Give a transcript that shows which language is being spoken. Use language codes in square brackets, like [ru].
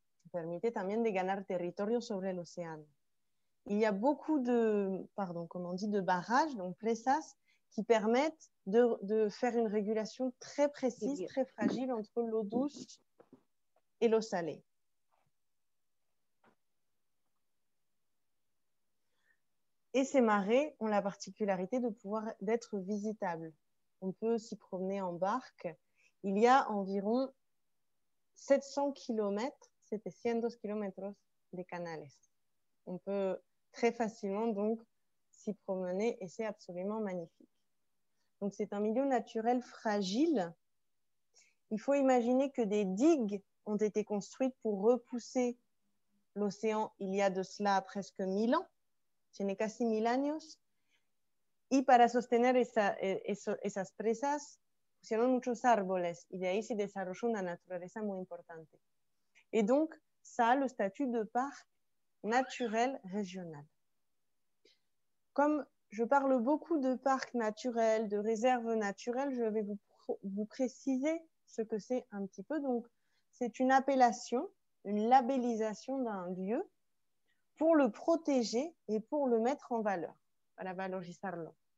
[fr] Permettait [es] también de ganar territorio sobre l'océan. [fr] Il y a beaucoup de barrages, donc [es] presas, [fr] qui permettent de faire une régulation très précise, très fragile entre l'eau douce et l'eau salée. Et ces marais ont la particularité de pouvoir d'être visitables. On peut s'y promener en barque. Il y a environ 700 kilomètres 700 km des canales. On peut très facilement donc s'y promener et c'est absolument magnifique. Donc c'est un milieu naturel fragile. Il faut imaginer que des digues ont été construites pour repousser l'océan il y a de cela presque 1000 ans. [es] Tiene casi 1000 años. Y para sostener esas presas, pusieron muchos árboles. Y de ahí se desarrolló una naturaleza muy importante. [fr] Et donc, ça a le statut de parc naturel régional. Comme je parle beaucoup de parcs naturels, de réserves naturelles, je vais vous préciser ce que c'est un petit peu. Donc, c'est une appellation, une labellisation d'un lieu pour le protéger et pour le mettre en valeur, [es] para valorizarlo.